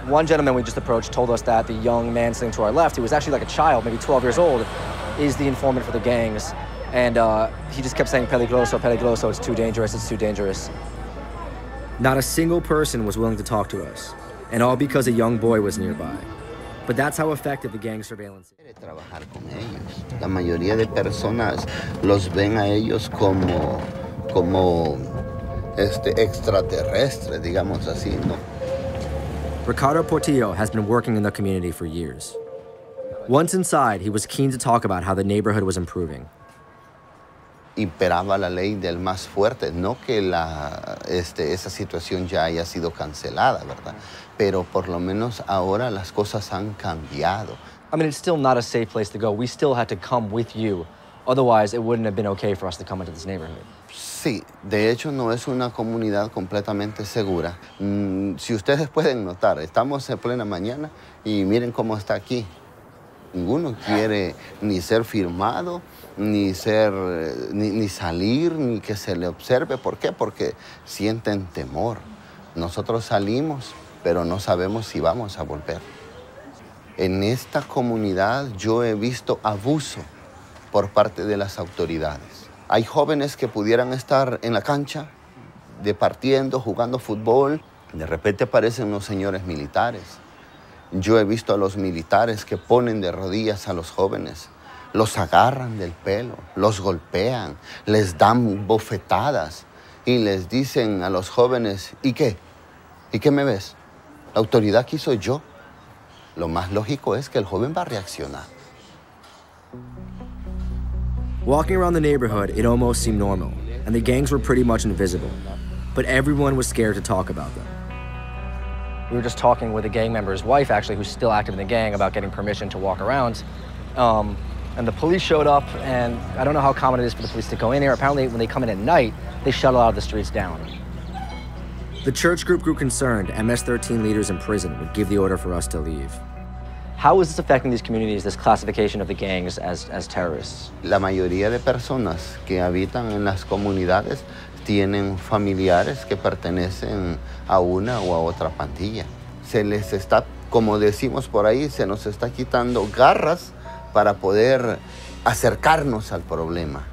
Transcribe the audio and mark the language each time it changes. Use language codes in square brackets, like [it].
[en] One gentleman we just approached told us that the young man sitting to our left, who was actually like a child, maybe 12 years old, is the informant for the gangs. And he just kept saying, [es] peligroso, peligroso, [en] it's too dangerous, it's too dangerous. Not a single person was willing to talk to us, and all because a young boy was nearby. But that's how effective the gang surveillance is. [es] Quiere trabajar con ellos. La mayoría de personas los ven a ellos como extraterrestres, digamos así, ¿no? [en] Ricardo Portillo has been working in the community for years. Once inside, he was keen to talk about how the neighborhood was improving. [es] Imperaba la ley del más fuerte, no que la esa situación ya haya sido cancelada, ¿verdad? Pero por lo menos ahora las cosas han cambiado. [en] I mean, it's still not a safe place to go. We still had to come with you. Otherwise, it wouldn't have been okay for us to come into this neighborhood. [es] Sí, de hecho, no es una comunidad completamente segura. Si ustedes pueden notar, estamos en plena mañana y miren cómo está aquí. Ninguno quiere ni ser firmado, ni salir, ni que se le observe. ¿Por qué? Porque sienten temor. Nosotros salimos, pero no sabemos si vamos a volver. En esta comunidad yo he visto abuso por parte de las autoridades. Hay jóvenes que pudieran estar en la cancha, departiendo, jugando fútbol. De repente aparecen unos señores militares. Yo he visto a los militares que ponen de rodillas a los jóvenes, los agarran del pelo, los golpean, les dan bofetadas y les dicen a los jóvenes, ¿y qué? ¿Y qué me ves? La autoridad aquí soy yo. Lo más lógico es que el joven va a reaccionar. [en] Walking around the neighborhood, it almost seemed normal, and the gangs were pretty much invisible. But everyone was scared to talk about them. We were just talking with a gang member's wife, actually, who's still active in the gang, about getting permission to walk around. And the police showed up, and I don't know how common it is for the police to go in here. Apparently, when they come in at night, they shut a lot of the streets down. The church group grew concerned. MS-13 leaders in prison would give the order for us to leave. How is this affecting these communities, this classification of the gangs as terrorists? [es] La mayoría de personas que habitan en las comunidades tienen familiares que pertenecen a una o a otra pandilla. Se les está, como decimos por ahí, se nos está quitando garras para poder acercarnos al problema.